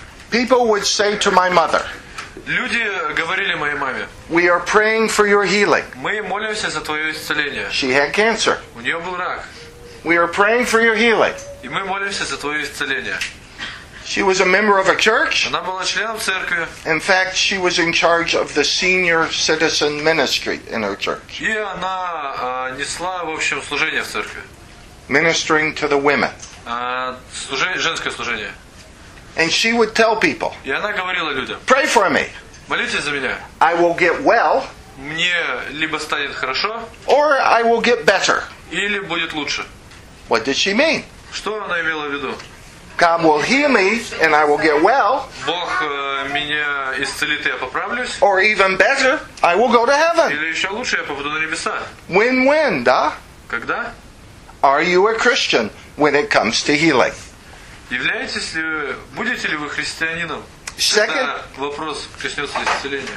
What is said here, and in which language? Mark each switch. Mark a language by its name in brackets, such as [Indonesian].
[English] People would say to my mother. [Russian] Люди говорили моей маме. [English] We are praying for your healing. [Russian] Мы молимся за твое исцеление. [English] She had cancer. [Russian] У нее был рак. [English] We are praying for your healing. [Russian] И мы молимся за твое исцеление. [English] She was a member of a church. [Russian] Она была членом церкви. [English] In fact, she was in charge of the senior citizen ministry in her church. [Russian] И она несла, в общем, служение в церкви. [English] Ministering to the women. [Russian] Женское служение. [English] And she would tell people. [Russian] И она говорила людям. [English] Pray for me. [Russian] Молитесь за меня. [English] I will get well. [Russian] Мне либо станет хорошо. [English] Or I will get better. [Russian] Или будет лучше. [English] What did she mean? [Russian] Что она имела в виду? [English] God will heal me and I will get well. [Russian] Бог меня исцелит, и я поправлюсь. [English] Or even better, I will go to heaven. [Russian] Или еще лучше, я попаду на небеса. [English] When, [Russian] да? Когда? [English] Are you a Christian when it comes to healing? [Russian] Являетесь ли вы, будете ли вы христианином? [English] Second, [Russian] когда вопрос коснется исцеления.